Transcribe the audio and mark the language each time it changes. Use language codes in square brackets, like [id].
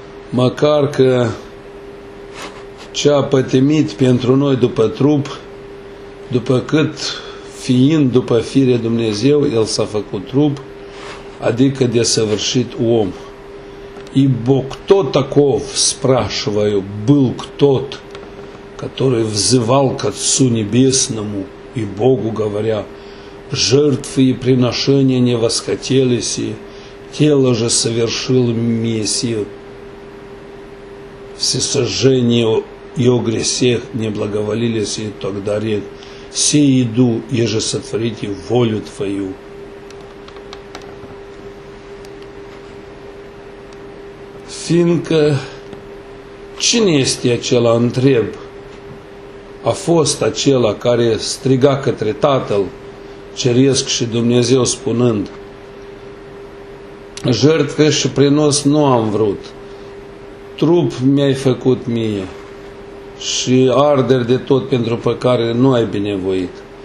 [ro] măcar că ce a pătimit pentru noi după trup, după cât fiind după fire Dumnezeu, el s-a făcut trup, adică desăvârșit om. [ru] Ибо кто таков, спрашиваю, был тот, который взывал к Отцу Небесному и Богу говоря, жертвы и приношения не восхотелись, и тело же совершил мессию, всесожжение и о грехах не благоволились, и тогда рек, все иду, еже сотворите волю Твою. [ro] Fiindcă cine este acela, întreb, a fost acela care striga către Tatăl Ceresc și Dumnezeu spunând, jertfe și prinos nu am vrut, trup mi-ai făcut mie și arderi de tot pentru pe care nu ai binevoit.